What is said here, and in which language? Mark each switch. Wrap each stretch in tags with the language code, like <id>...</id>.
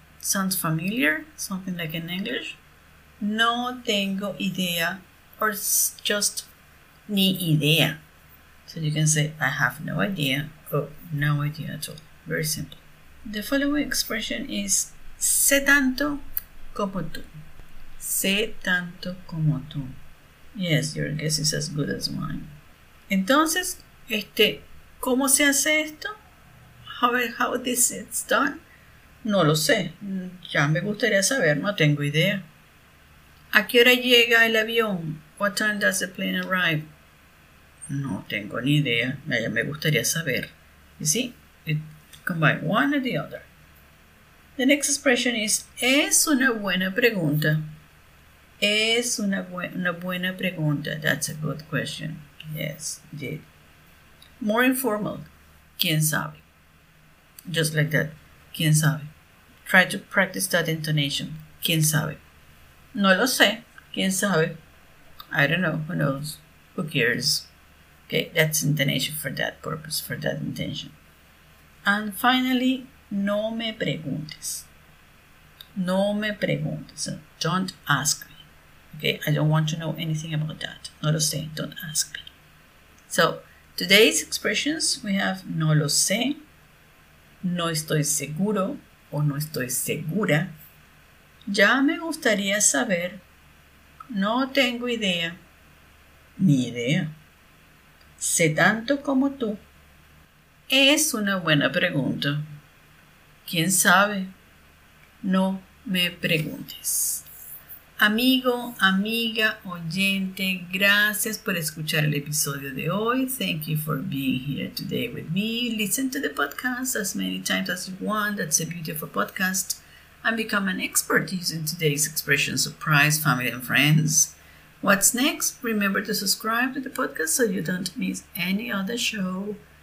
<en>Sounds familiar, something like in English.</en> <es>No tengo idea,</es> <en>or just</en> <es>ni idea.</es> <en>So you can say, I have no idea, or no idea at all. Very simple. The following expression is</en> <es>sé tanto como tú. Sé tanto como tú.</es> <en>Yes, your guess is as good as mine.</en> <es>Entonces, ¿cómo se hace esto?</es> <en>How this is done?</en> <es>No lo sé. Ya me gustaría saber, no tengo idea. ¿A qué hora llega el avión?</es> <en>What time does the plane arrive?</en> <es>No tengo ni idea. Ya me gustaría saber.</es> <en>You see? It combine one and the other. The next expression is,</en> <es>es una buena pregunta. Es una buena pregunta.</es> <en>That's a good question. Yes, indeed. More informal.</en> <es>¿Quién sabe?</es> <en>Just like that. ¿Quién sabe? Try to practice that intonation.</en> <es>¿Quién sabe? No lo sé. ¿Quién sabe?</es> <en>I don't know. Who knows? Who cares? Okay, that's intonation for that purpose, for that intention. And finally,</en> <es>no me preguntes. No me preguntes.</es> <en>So don't ask me. Okay, I don't want to know anything about that.</en> <es>No lo sé.</es> <en>Don't ask me. So, today's expressions, we have</en> <es>no lo sé, no estoy seguro, o no estoy segura, ya me gustaría saber, no tengo idea, ni idea. Sé tanto como tú. Es una buena pregunta. ¿Quién sabe? No me preguntes. Amigo, amiga, oyente, gracias por escuchar el episodio de hoy.</es> <en>Thank you for being here today with me. Listen to the podcast as many times as you want. That's a beautiful podcast. And become an expert using today's expression, surprise family and friends. What's next? Remember to subscribe to the podcast so you don't miss any other show.</en>